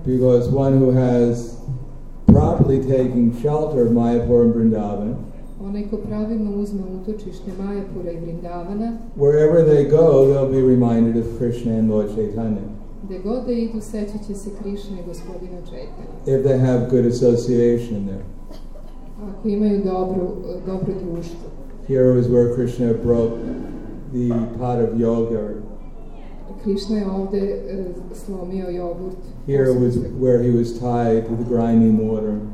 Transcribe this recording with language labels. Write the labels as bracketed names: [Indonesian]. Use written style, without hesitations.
[English] Because one who has properly taken shelter of Mayapur and Vrindavan, [Serbian] onaj ko pravilno uzme utočište Mayapura i Vrindavana, [English] wherever they go, they'll be reminded of Krishna and Lord Chaitanya. [Serbian] Gde god da idu, sećat će se Krishna i gospodina Chaitanya. [English] If they have good association there. [Serbian] Ako imaju dobro društvo. [English] Here is where Krishna broke the pot of yogurt. [Serbian] Krishna je ovde slomio jogurt. [English] Here was where he was tied to the grinding mortar.